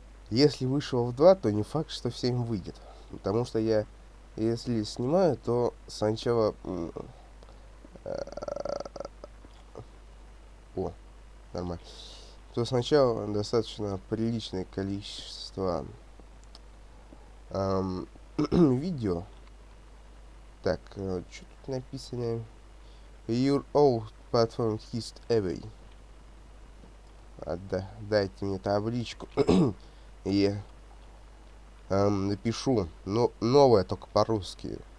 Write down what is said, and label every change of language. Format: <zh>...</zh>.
<ru>Если вышел в 2, то не факт, что в 7 выйдет. Потому что я, если снимаю, то сначала... О, нормально. То сначала достаточно приличное количество видео. Так, что тут написано?</ru> <en>Your old platform is away.</en> <ru>Дайте мне табличку. И напишу, но новое только по-русски.</ru>